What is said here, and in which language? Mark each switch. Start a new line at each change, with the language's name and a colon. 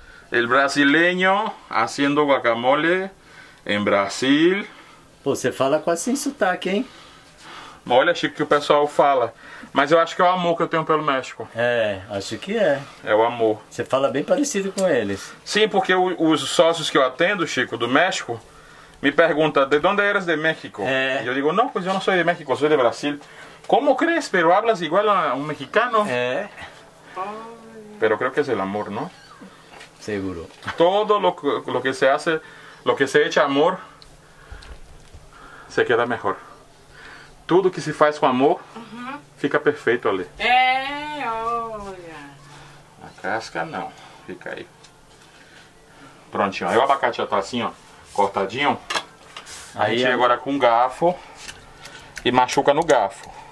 Spanish: El brasileño haciendo guacamole.
Portuguese: Em Brasil. Pô, você fala quase sem sotaque, hein? Olha, Chico, que o pessoal fala. Mas eu acho que é o amor que eu tenho pelo México. É, acho que é. É o amor. Você fala bem parecido com eles. Sim, porque os sócios que eu atendo, Chico, do México, me perguntam, de onde
Spanish: eres de México?
Portuguese: É. E eu digo, não, pois eu não sou de México, eu sou de Brasil.
Spanish: Como crees, pero hablas igual a um mexicano?
Portuguese: É.
Spanish: Pero creo que es el amor, ¿no? Seguro. Todo lo que se hace... Lo que se echa amor, se queda mejor.
Portuguese: Tudo que se faz com amor, fica perfeito ali. É, olha. A casca não, fica aí. Prontinho, aí o abacate já tá assim, ó, cortadinho. Aí, a gente agora com garfo e machuca no garfo.